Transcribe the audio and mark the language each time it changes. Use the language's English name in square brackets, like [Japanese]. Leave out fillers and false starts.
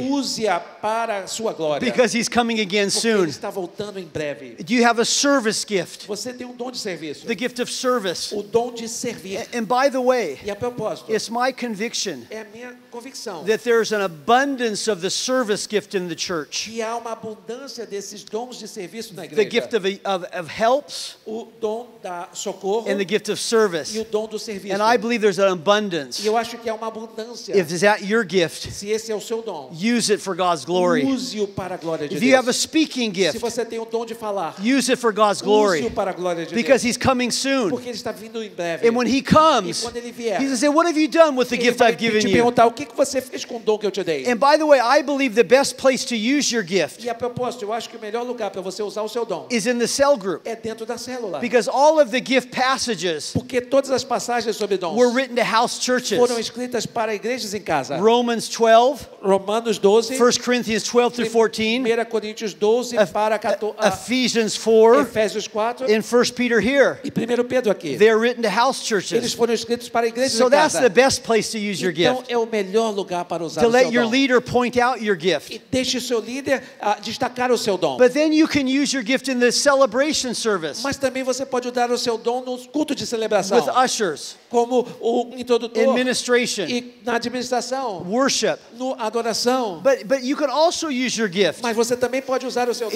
[Portuguese] Use-a para a sua glória. [English] Because he's coming again [Portuguese] Porque [English] soon. [Portuguese] Ele está voltando em breve. [English] Do you have a service gift? [Portuguese] Você tem dom de serviço. [English] The gift of service. [Portuguese] O dom de servir. [English] And by the way, [Portuguese] e a propósito, [English] it's my conviction [Portuguese] é a minha convicção [English] that there's an abundance of the service gift in the church. [Portuguese] E há uma abundância desses dons de serviço na igreja. [English] The gift of helps. [Portuguese] O dom da socorro. [English] And the gift of service. [Portuguese] E o dom do serviço. [English] And I believe there's an abundance. [Portuguese] E eu acho que há uma abundância. [English] If is that your gift, [Portuguese] se esse é o seu dom, [English] use it for God's glory. [Portuguese] Use-o para a glória de [English] If [Portuguese] Deus. [English] You have a speaking gift, [Portuguese] se você tem o dom de falar, [English] use it for God's glory. [Portuguese] Use-o para a glória de Deus. [English] Because he's coming soon. [Portuguese] Porque ele está vindo em breve. [English] And when he comes, [Portuguese] e quando ele vier, [English] he's going to say, what have you done with the gift I've given you? [Portuguese] Ele vai te perguntar, o que você fez com o dom que eu te dei? [English] And by the way, I believe the best place to use your gift. [Portuguese] E a propósito, eu acho que o melhor lugar para você usar o seu dom [English] is in the cell group. [Portuguese] É dentro da célula. [English] Because all of the gift passages, [Portuguese] porque todas as passagens sobre dons, [English] were written to house churches. [Portuguese] Foram escritas para igrejas em casa. [English] Romans 12, [Portuguese] Romanos 12, [English] 1 Corinthians 12 through 14, [Portuguese] 1 Coríntios 12 para 14, [English] Ephesians 4, [Portuguese] Efésios 4, [English] and 1 Peter here. [Portuguese] E 1 Pedro aqui. [English] They're written to house churches. [Portuguese] Eles foram escritos para igrejas [English] so [Portuguese] em casa. [English] So that's the best place to use [Portuguese] então, [English] your gift. [Portuguese] Então é o melhor lugar para usar [English] to [Portuguese] o seu [English] let your [Portuguese] dom. [English] Leader point out your gift. [Portuguese] E deixe o seu líder destacar o seu dom. [English] But then you can use your gift in the celebration service. [Portuguese] Mas também você pode usar o seu dom no culto de celebração. [English] With ushers. [Portuguese] Como o introdutor. [English] Administration. [Portuguese] E na administração. [English] Worship. [Portuguese] No adoração. [English] But you can also use your gift. [Portuguese] Mas você também pode usar o seu dom.